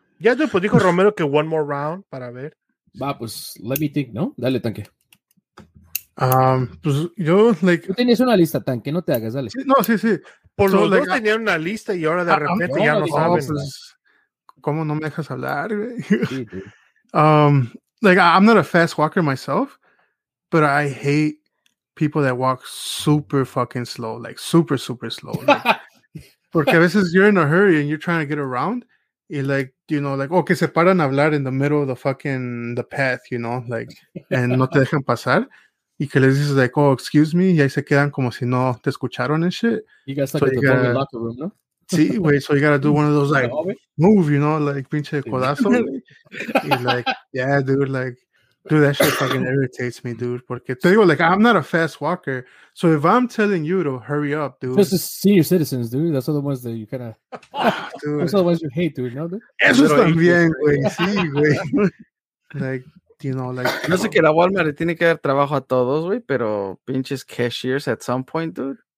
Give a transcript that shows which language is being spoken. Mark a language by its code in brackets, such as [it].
[es] Ya, dude, pues dijo Romero que [en] one more round [es] para ver. Va, pues, [en] let me think, [es] ¿no? Dale, tanque. Pues yo, like, tú tenías una lista, tanque, no te hagas, dale. No, sí, sí. Por los dos tenían una lista y ahora de repente ya no saben. Pues, ¿cómo no me dejas hablar, güey? [en] Sí, like, I'm not a fast walker myself, but I hate people that walk super fucking slow, like super, super slow. Like, [es] porque a veces [en] you're in a hurry and you're trying to get around, y like, you know, like, [es] que se paran a hablar [en] in the middle of the fucking the path, you know, like, and [es] no te dejan pasar. Y que les dices, like, [en] oh, excuse me, [es] y ahí se quedan como si no te escucharon [en] and shit. You guys the locker room, no? [es] Sí, güey, [en] so you gotta do one of those, like, move, you know, like, [es] pinche codazo. [en] Y like, yeah, dude, like, dude, that shit fucking irritates me, dude. [es] Porque te digo, [en] like, I'm not a fast walker, so if I'm telling you to hurry up, dude. Those are senior citizens, dude. That's the ones that you kind of, those are the ones you hate, dude, no, dude? [es] Esos también, güey, sí, güey. [en] Like, you know, like, [es] no sé que la Walmart tiene que dar trabajo a todos, güey, pero pinches cashiers [en] at some point, dude.